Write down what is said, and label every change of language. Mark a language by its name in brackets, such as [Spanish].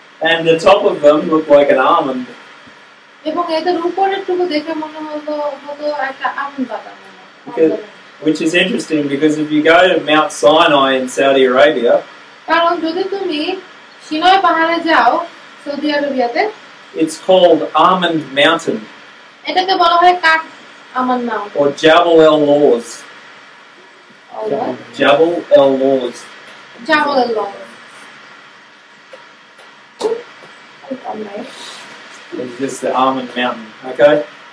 [English] And the top of them looked like an almond. [Bangla] এবং এটার উপরেরটুকু দেখে মনে হলো হলো একটা আমন্ড বাদাম. [English] Which is interesting because if you go to Mount Sinai in Saudi Arabia, [Bangla] কারণ যদি তুমি সিনাই পাহাড়ে যাও Saudi আরবিয়াতে, [English] it's called Almond Mountain. [Bangla] এটাকে বলা হয় কাট almond mountain. [English] Or Jabal el Lawz. Jabal el Lawz. Jabal el Lawz. It's just the Almond Mountain, okay?